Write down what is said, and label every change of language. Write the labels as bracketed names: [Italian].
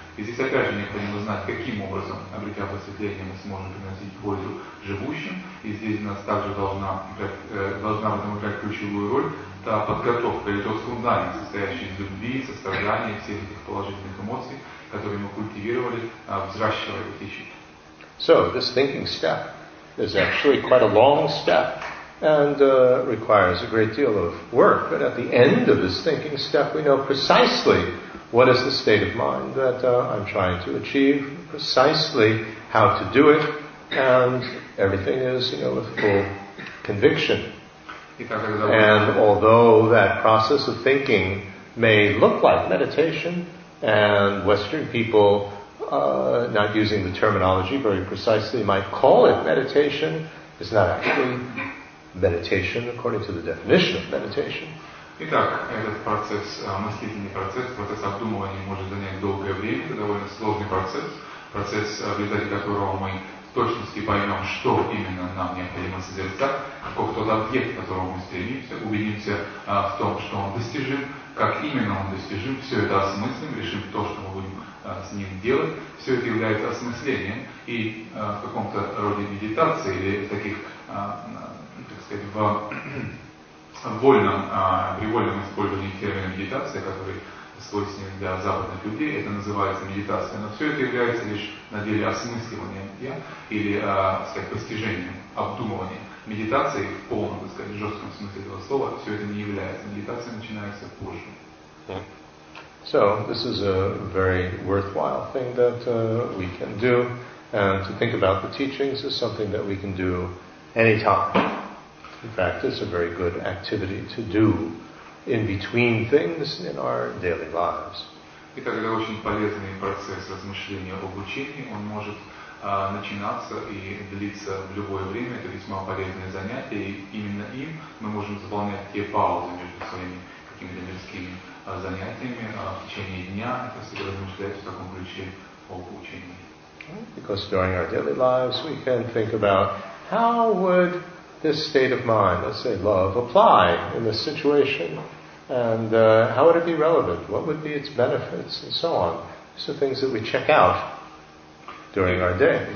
[Russian] И здесь опять же необходимо знать, каким образом, обретя просветление, мы сможем приносить пользу живущим. И здесь у нас также должна в этом играть ключевую роль та подготовка или тот фундамент, состоящий из любви, сострадания, всех этих положительных эмоций, которые мы культивировали, взращивая их ищи. [English] So, this thinking step is actually quite a long step. And requires a great deal of work, but at the end of this thinking step, we know precisely what is the state of mind that I'm trying to achieve, precisely how to do it, and everything is, you know, with full conviction. And although that process of thinking may look like meditation, and Western people, not using the terminology very precisely, might call it meditation, it's not actually meditation, according to the definition of meditation. [Russian] Итак, этот процесс, мыслительный процесс, процесс обдумывания может занять долгое время, это довольно сложный процесс, процесс, в результате которого мы точности поймем, что именно нам необходимо созерцать, каков тот объект, к которому мы стремимся, убедимся в том, что он достижим, как именно он достижим, все это осмыслим, решим то, что мы будем с ним делать, все это является осмыслением и в каком-то роде медитации или в таких, так сказать, в вольном использовании термина медитация, который свойственен для западных людей, это называется медитация, но все это является лишь на деле осмысливанием я или, так сказать, постижением, обдумыванием. Медитацией в полном, так сказать, жестком смысле этого слова все это не является. Медитация начинается позже. [English] So, this is a very worthwhile thing that we can do, and to think about the teachings is something that we can do anytime. In fact, it's a very good activity to do in between things in our daily lives. [Russian] Итак, это очень полезный процесс размышления об учении. Он может начинаться и длиться в любое время. Это весьма полезное занятие, и именно им мы можем заполнять те паузы между своими какими-то мирскими занятиями в течение дня, это всегда размышлять в таком ключе об учении. [English] Because during our daily lives we can think about how would this state of mind, let's say love, apply in this situation, and how would it be relevant, what would be its benefits, and so on. These are things that we check out during our days.